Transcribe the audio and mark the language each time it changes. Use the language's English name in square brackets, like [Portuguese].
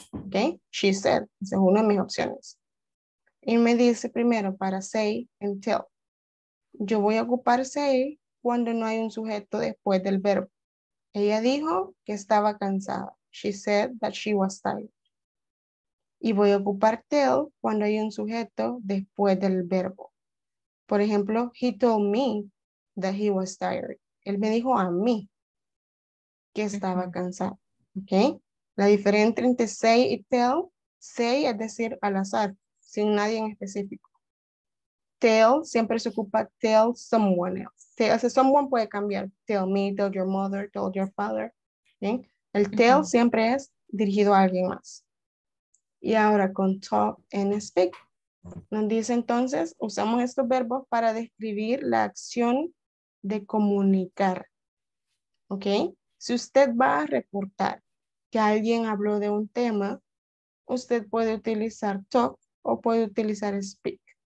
[Spanish] ¿Okay? [English] She said. [Spanish] Esa es una de mis opciones. Y me dice primero para say and tell. Yo voy a ocupar say cuando no hay un sujeto después del verbo. Ella dijo que estaba cansada. [English] She said that she was tired. [Spanish] Y voy a ocupar tell cuando hay un sujeto después del verbo. Por ejemplo, [English] he told me that he was tired. [Spanish] Él me dijo a mí que estaba cansado. ¿Okay? La diferencia entre say y tell, say es decir al azar, sin nadie en específico. Tell siempre se ocupa [English] tell someone else. [Spanish] Tell, o sea, someone puede cambiar. [English] Tell me, tell your mother, tell your father. [Spanish] ¿Okay? El tell siempre es dirigido a alguien más. Y ahora con talk and speak. Nos dice entonces, usamos estos verbos para describir la acción de comunicar. ¿Ok? Si usted va a reportar que alguien habló de un tema, usted puede utilizar talk o puede utilizar speak.